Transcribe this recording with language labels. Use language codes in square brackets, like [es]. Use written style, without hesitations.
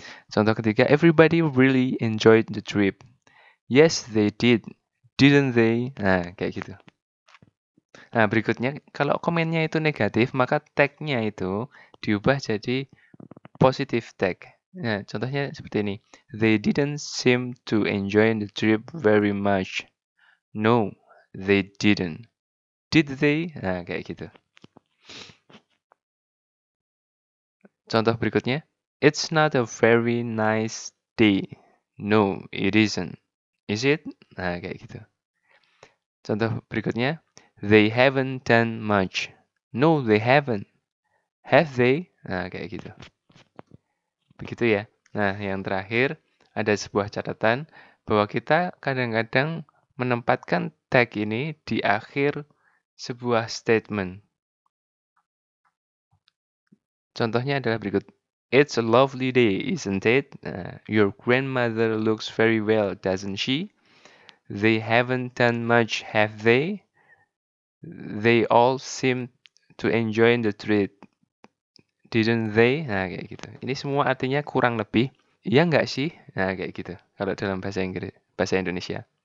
[id] Contoh ketiga, [en] everybody really enjoyed the trip. Yes, they did. Didn't they? [id] Nah, kayak gitu. Nah, berikutnya, kalau komennya itu negatif, maka tag-nya itu diubah jadi positive tag. Nah, contohnya seperti ini. [en] They didn't seem to enjoy the trip very much. No, they didn't. Did they? [id] Nah, kayak gitu. Contoh berikutnya. [en] It's not a very nice day. No, it isn't. Is it? [id] Nah, kayak gitu. Contoh berikutnya. [en] They haven't done much. No, they haven't. Have they? [id] Nah, kayak gitu. Begitu ya. Nah, yang terakhir ada sebuah catatan bahwa kita kadang-kadang menempatkan tag ini di akhir sebuah statement. Contohnya adalah berikut. [en] It's a lovely day, isn't it? Your grandmother looks very well, doesn't she? They haven't done much, have they? They all seem to enjoy the trip. Didn't they? [id] Nah, kayak gitu. Ini semua artinya kurang lebih. Iya nggak sih? Nah, kayak gitu. Kalau dalam bahasa Inggris, bahasa Indonesia.